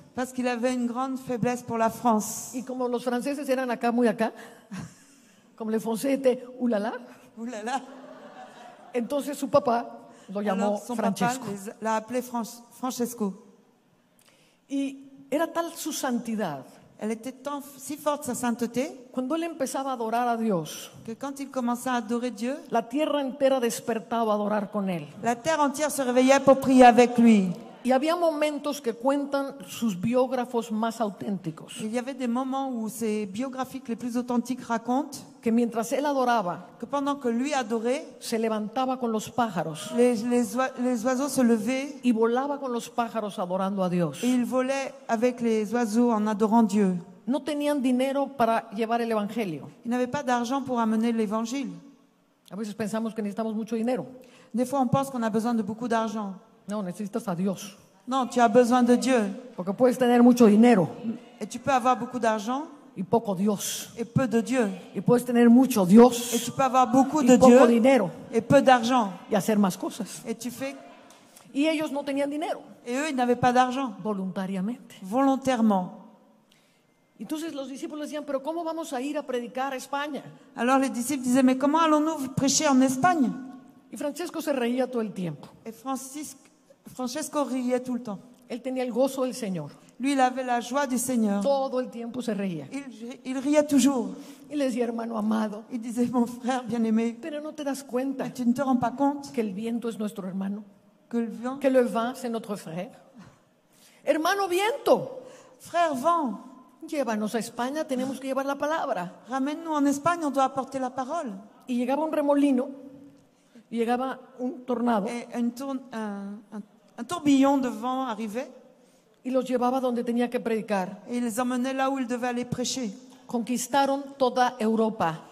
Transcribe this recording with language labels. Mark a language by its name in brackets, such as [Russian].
[French] Parce qu'il avait une grande faiblesse pour la France. [Spanish] Y como los franceses eran acá muy acá. [French] Como les français étaient oulala. Oulala. [Spanish] Entonces su papá lo llamó Francesco. [French] Alors son papa l'a appelé Francesco. [Spanish] Y era tal su santidad. [French] Elle était tant, si forte sa sainteté. [Spanish] Cuando él empezaba a adorar a Dios. [French] Que quand il commençait à adorer Dieu. [Spanish] La tierra entera despertaba a adorar con él. [French] La terre entière se réveillait pour prier avec lui. [Spanish] Y había momentos que cuentan sus biógrafos más auténticos. [French] Il y avait des moments où ses biographiques les plus authentiques racontent. [Spanish] Que mientras él adoraba. [French] Que pendant que lui adorait. [Spanish] Se levantaba con los pájaros. [French] Les oiseaux se levaient. [Spanish] Y volaba con los pájaros adorando a Dios. [French] Et il volait avec les oiseaux en adorant Dieu. [Spanish] No tenían dinero para llevar el evangelio. [French] Ils n'avaient pas d'argent pour amener l'évangile. [Spanish] A veces pensamos que necesitamos mucho dinero. [French] Des fois on pense qu'on a besoin de beaucoup d'argent. [Spanish] No, necesitas a Dios. [French] Non, tu as besoin de Dieu. [Spanish] Porque puedes tener mucho dinero. [French] Et tu peux avoir beaucoup d'argent. [Spanish] Y poco Dios. [French] Et peu de Dieu. [Spanish] Y puedes tener mucho Dios. [French] Et tu peux avoir beaucoup de [Spanish] Y poco dinero. [French] Et peu d'argent. [Spanish] Y hacer más cosas. [French] Et tu fais. [Spanish] Y ellos no tenían dinero. [French] Et eux, ils n'avaient pas d'argent. [Spanish] Voluntariamente. [French] Volontairement. [Spanish] Entonces los discípulos decían, pero ¿cómo vamos a ir a predicar a España? [French] Alors les disciples disaient, mais comment allons-nous prêcher en Espagne? [Spanish] Y Francesco se reía todo el tiempo. [French] Et Francesco riait tout le temps. [Spanish] Él tenía el gozo del Señor. [French] Lui, il avait la joie du Seigneur. [Spanish] Todo el tiempo se reía. [French] Il riait toujours. [Spanish] Y le decía, hermano amado. [French] Il disait, mon frère bien-aimé. [Spanish] Pero no te das cuenta. [French] Mais tu ne te rends pas compte. [Spanish] Que el viento es nuestro hermano. [French] Que le vent, c'est notre frère. [Spanish] Hermano viento. [French] Frère vent. [Spanish] Llévanos a España, tenemos que llevar la palabra. [French] Ramène-nous en Espagne, on doit apporter la parole. [Spanish] Y llegaba un remolino. Y llegaba un tornado. [French] Un tourbillon de vent arrivait. [Spanish] Y los llevaba donde tenía que predicar. [French] Et ils les emmenaient là où ils devaient aller prêcher. [Spanish] Conquistaron toda Europa.